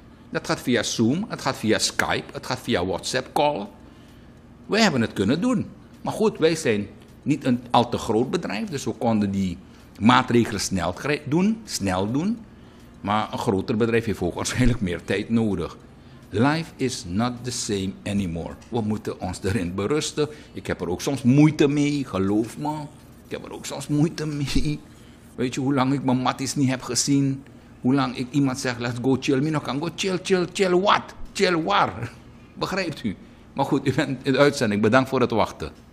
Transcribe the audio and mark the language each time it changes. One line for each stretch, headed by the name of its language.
Dutch: Dat gaat via Zoom, het gaat via Skype, het gaat via WhatsApp call. Wij hebben het kunnen doen. Maar goed, wij zijn niet een al te groot bedrijf, dus we konden die maatregelen snel doen. Maar een groter bedrijf heeft ook waarschijnlijk meer tijd nodig.
English: Life is not the same anymore.
Dutch: We moeten ons erin berusten. Ik heb er ook soms moeite mee, geloof me. Ik heb er ook soms moeite mee. Weet je hoe lang ik mijn matties niet heb gezien? Hoe lang ik iemand zeg,
English: let's go chill.
Dutch: Mino kan go chill, chill, chill what? Chill waar? Begrijpt u? Maar goed, u bent in de uitzending. Bedankt voor het wachten.